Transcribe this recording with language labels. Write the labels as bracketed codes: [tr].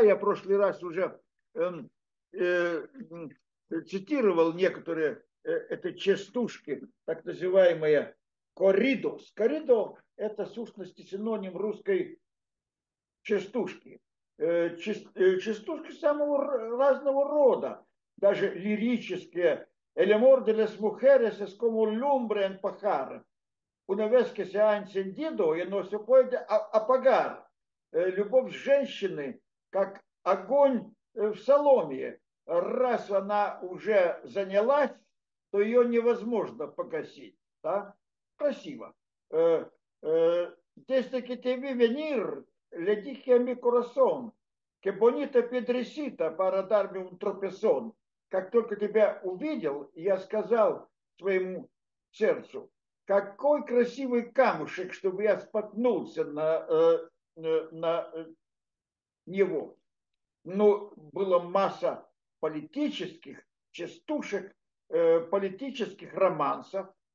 [ru] Я в прошлый раз уже цитировал некоторые это частушки, так называемые коридос. Коридо – это, в сущности, синоним русской частушки. Частушки самого разного рода, даже лирические. [es] «El amor de las mujeres es como lumbre en pajar». «Una vez que se ha encendido, y no se puede apagar». [ru] «Любовь женщины, как огонь в соломе». «Раз она уже занялась, то ее невозможно погасить». Да? Красиво. [es] «Desde que te vi venir, le dije a mi corazón, que bonita pedrecita para darme un tropezón». [ru] «Как только тебя увидел, я сказал своему сердцу, какой красивый камушек, чтобы я споткнулся на него». Но была масса политических частушек, политических романсов.